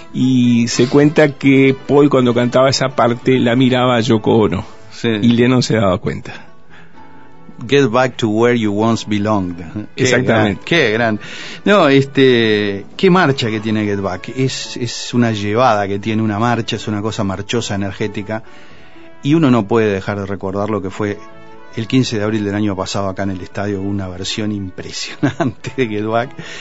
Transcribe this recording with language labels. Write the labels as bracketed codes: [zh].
[es] Y se cuenta que Paul, cuando cantaba esa parte, la miraba a Yoko Ono. Sí. Y Lennon se daba cuenta. [en] Get back to where you once belonged. [es] Exactamente. Qué gran. No, qué marcha que tiene Get Back. Es una llevada que tiene, una marcha, es una cosa marchosa, energética. Y uno no puede dejar de recordar lo que fue el 15 de abril del año pasado acá en el estadio, una versión impresionante de Get Back.